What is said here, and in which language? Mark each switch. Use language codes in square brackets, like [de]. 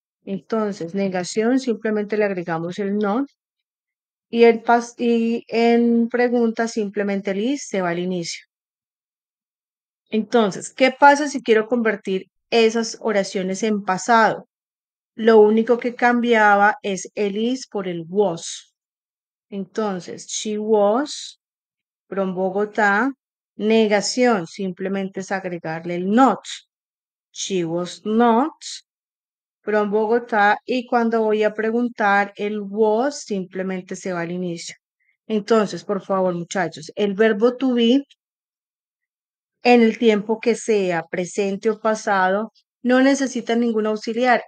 [es] Entonces, negación simplemente le agregamos el not y, el past y en pregunta simplemente el is se va al inicio. Entonces, ¿qué pasa si quiero convertir esas oraciones en pasado? Lo único que cambiaba es el is por el was. [en] Entonces, she was from Bogotá. [es] Negación, simplemente es agregarle el not. [en] She was not from Bogotá. [es] Y cuando voy a preguntar el was, simplemente se va al inicio. Entonces, por favor, muchachos, el verbo to be, en el tiempo que sea, presente o pasado, no necesita ningún auxiliar.